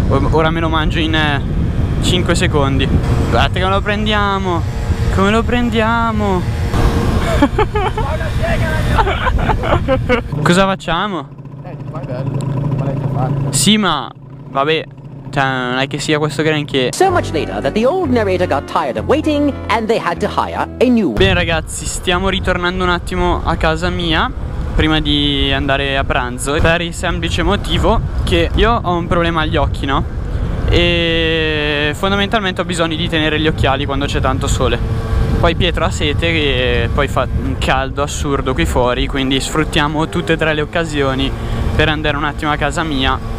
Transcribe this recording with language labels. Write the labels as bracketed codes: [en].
[it] Ora me lo mangio in 5 secondi. Guardate come lo prendiamo. Come lo prendiamo. Cosa facciamo? Ma è bello. Ma l'hai già fatto. Sì, ma vabbè. Cioè, non è che sia questo granché. [en] So much later that the old narrator got tired of waiting and they had to hire a new. [it] Bene ragazzi, stiamo ritornando un attimo a casa mia prima di andare a pranzo, per il semplice motivo che io ho un problema agli occhi, no? E fondamentalmente ho bisogno di tenere gli occhiali quando c'è tanto sole. Poi Pietro ha sete e poi fa un caldo assurdo qui fuori, quindi sfruttiamo tutte e tre le occasioni per andare un attimo a casa mia.